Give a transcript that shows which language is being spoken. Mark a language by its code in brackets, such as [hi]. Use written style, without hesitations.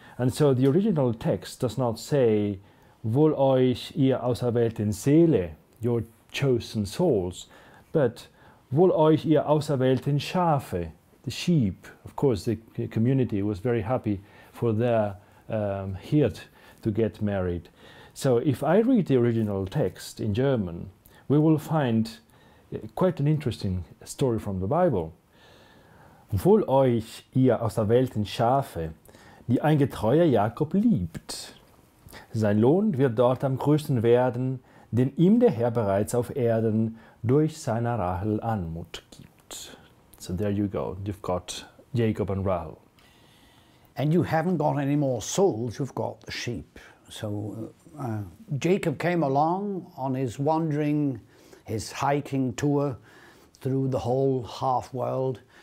[en] And so the original text does not say, [de] "Wohl euch ihr auserwählten Seele," [en] your chosen souls, but [de] "Wohl euch ihr auserwählten Schafe," [en] the sheep. Of course, the community was very happy for their herd to get married. So if I read the original text in German, we will find quite an interesting story from the Bible. [de] "Wohl euch ihr auserwählten Schafe, die ein getreuer Jakob liebt. Sein Lohn wird dort am größten werden, den ihm der Herr bereits auf Erden durch seine Rahel Anmut gibt." [en] So there you go. You've got Jacob and Rahel. And you haven't got any more souls, you've got the sheep. So Jacob came along on his wandering, his hiking tour through the whole half world.